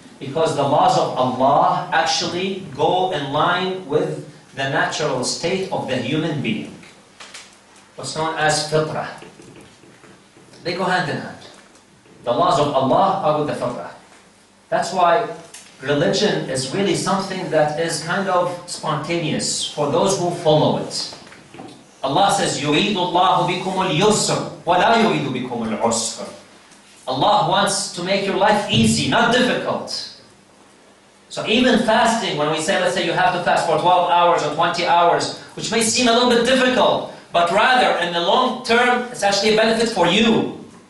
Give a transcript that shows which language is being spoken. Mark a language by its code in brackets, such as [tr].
[en] Because the laws of Allah actually go in line with the natural state of the human being. What's known as fitrah. They go hand in hand. The laws of Allah are with the fitrah. That's why religion is really something that is kind of spontaneous for those who follow it. Allah says, [ar] يُرِيدُ اللَّهُ بِكُمُ الْيُسْرُ وَلَا يُرِيدُ بِكُمُ الْعُسْرُ. [en] Allah wants to make your life easy, not difficult. So even fasting, when we say, let's say you have to fast for 12 hours or 20 hours, which may seem a little bit difficult, but rather, in the long term, it's actually a benefit for you.